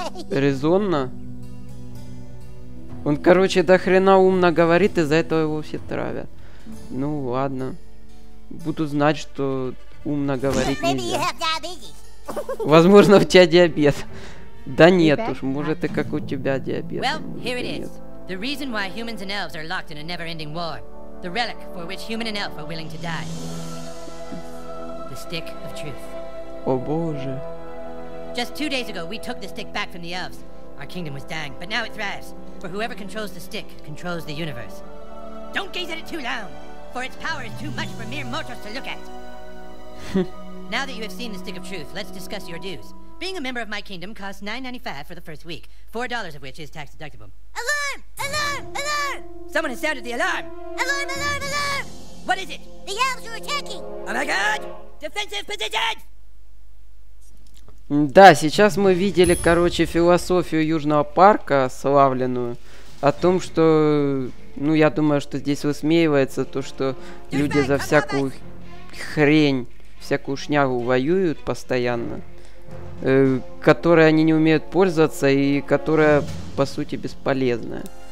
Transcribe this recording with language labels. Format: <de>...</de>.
<ru>Резонно? Он, короче, дохрена умно говорит, из-за этого его все травят. Ну ладно. Буду знать, что умно говорить нельзя. Возможно, у тебя диабет. Да нет уж, может и как у тебя диабет.</ru> <en>Well, here it is. The reason why humans and elves are locked in a never-ending war. The relic, for which human and elf are willing to die. The stick of truth.</en> <ru>О боже.</ru> <en>Just 2 days ago, we took the stick back from the elves. Our kingdom was dying, but now it thrives. For whoever controls the stick, controls the universe. Don't gaze at it too long, for its power is too much for mere mortals to look at. Now that you have seen the stick of truth, let's discuss your dues. Being a member of my kingdom costs $9.95 for the first week, $4 of which is tax deductible. Alarm! Alarm! Alarm! Someone has sounded the alarm! Alarm! Alarm! Alarm! What is it? The elves are attacking! Oh my god! Defensive position!</en> <ru>Да, сейчас мы видели, короче, философию Южного парка, славленную, о том, что... Ну, я думаю, что здесь высмеивается то, что люди за всякую хрень, всякую шнягу воюют постоянно, которой они не умеют пользоваться и которая, по сути, бесполезная.</ru>